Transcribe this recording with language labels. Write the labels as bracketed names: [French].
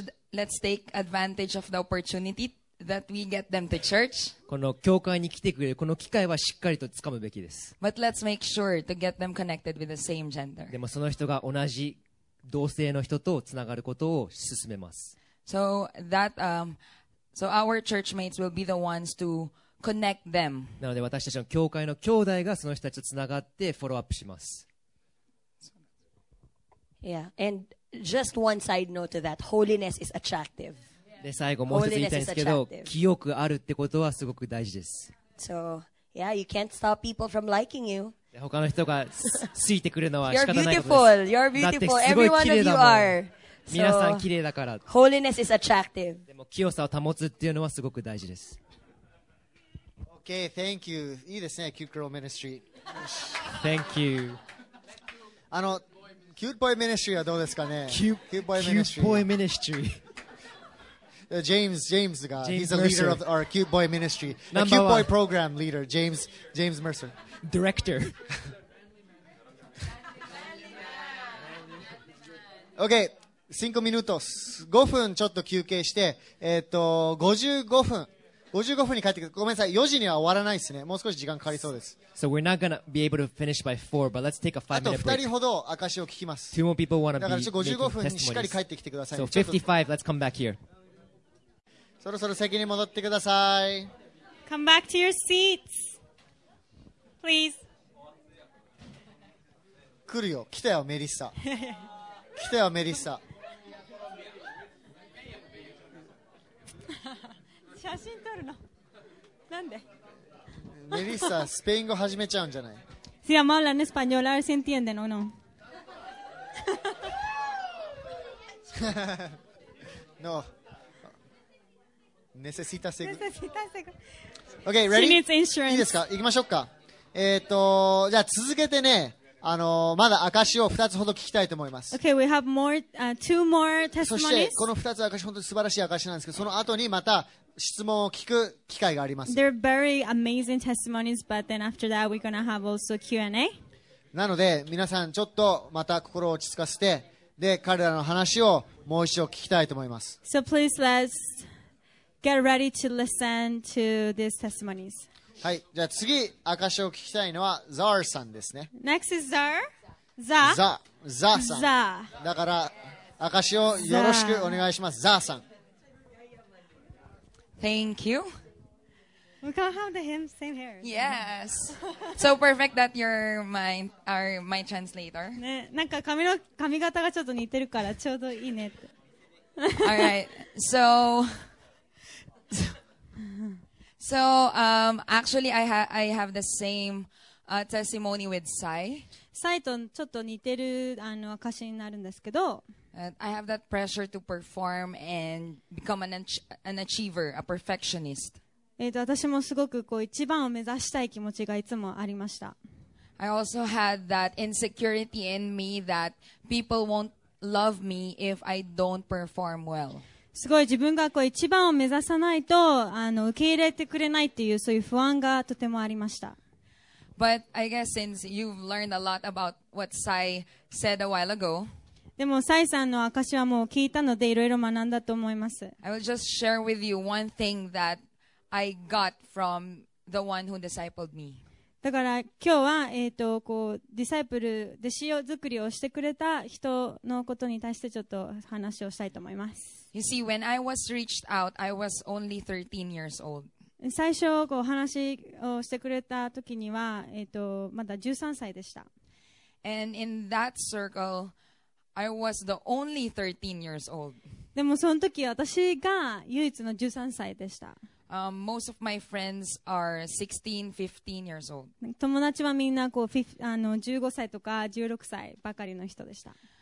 [English] Let's take advantage of the opportunity that we get them to church. [Japanese] この教会に来てくれるこの機会はしっかりと掴むべきです。 [English] But let's make sure to get them connected with the same gender. [Japanese] でもその人が同じ同性の人とつながることを進めます。 [English] So that, so our churchmates will be the ones to connect them. [Japanese] なので私たちの教会の兄弟がその人たちとつながってフォローアップします。 [English] Yeah, and just one side note to that, holiness is attractive. [Japanese] で最後もう一つ言いたいんですけど、清くあるってことはすごく大事です。 [English] So, yeah, you can't stop people from liking you. [Japanese] 他の人が好いてくるのは仕方ないことです。 [English] You're beautiful. You're beautiful. Every one of you are. [Japanese] 皆さん綺麗だから。 [English] Holiness is attractive. [Japanese] でも清さを保つっていうのはすごく大事です。 [English] Okay, thank you. [Japanese] いいですね、 [English] cute girl ministry. Thank you. [Japanese] cute boy ministry はどうですかね。 [English] Cute boy ministry. Cute boy ministry. James が James He's a leader、Mercer. Of our cute boy ministry The cute boy program leader James Mercer Director [Japanese] OK [Spanish] 5 minutos [Japanese] 5分ちょっと休憩して55分に帰ってくるごめんなさい4時には終わらないですねもう少し時間かかりそうです [English] So we're not gonna be able to finish by 4 But let's take a 5 minute break [Japanese] あと2人ほど証を聞きます [English] Two more people wanna be making testimonies [Japanese] だから55分にしっかり帰ってきてください、ね、 [English] So 55 let's come back here [Japanese] そろそろ席に戻ってください。 [English] Come back to your seats, please. [Japanese] 来るよ。来たよ、メリッサ。来たよ、メリッサ。写真撮るの。なんで？メリッサ、スペイン語始めちゃうんじゃない？ [Spanish] Si hablan en español, a ver si entienden o no. No. Necesita seguro. [English] Okay, ready? She needs insurance. [Japanese] いいですか?行きましょうか。じゃあ続けてね、まだ証を2つほど聞きたいと思います。 [English] Okay, we have more, two more testimonies. [Japanese] そしてこの2つ証、本当に素晴らしい証なんですけど、その後にまた質問を聞く機会があります。 [English] They're very amazing testimonies, but then after that we're gonna have also Q&A. [Japanese] なので皆さんちょっとまた心を落ち着かせて、で彼らの話をもう一度聞きたいと思います。 [English] So please let's get ready to listen to these testimonies. [Japanese] はい、じゃあ次証を聞きたいのはザーさんですね。 [English] Next is ザー [Japanese] ザーさん。ザーだから証をよろしくお願いします。ザーさん。 [English] Thank you. We can have the same hair. Yes. So perfect that you're my translator. [Japanese] ね、なんか髪型がちょっと似てるからちょうどいいね。 [English] Alright. So. So, actually, I have the same testimony with Sai. [Japanese] Sai とちょっと似てる証になるんですけど。 [English] I have that pressure to perform and become an achiever, a perfectionist. [Japanese] 私もすごくこう一番を目指したい気持ちがいつもありました。 [English] I also had that insecurity in me that people won't love me if I don't perform well. [Japanese] すごい自分がこう一番を目指さないと受け入れてくれないっていうそういう不安がとてもありました。 [English] But I guess since you've learned a lot about what Sai said a while ago, [Japanese] でもサイさんの証はもう聞いたのでいろいろ学んだと思います。 [English] I will just share with you one thing that I got from the one who discipled me. [Japanese] だから今日はこうディサイプル弟子を作りをしてくれた人のことに対してちょっと話をしたいと思います。 [English] You see, when I was reached out, I was only 13 years old. [Japanese] 最初こう話をしてくれた時にはまだ13歳でした。 [English] And in that circle, I was the only 13 years old. [Japanese] でもその時私が唯一の13歳でした。 [English] Most of my friends are 16, 15 years old. [Japanese] 友達はみんなこう15歳とか16歳ばかりの人でした。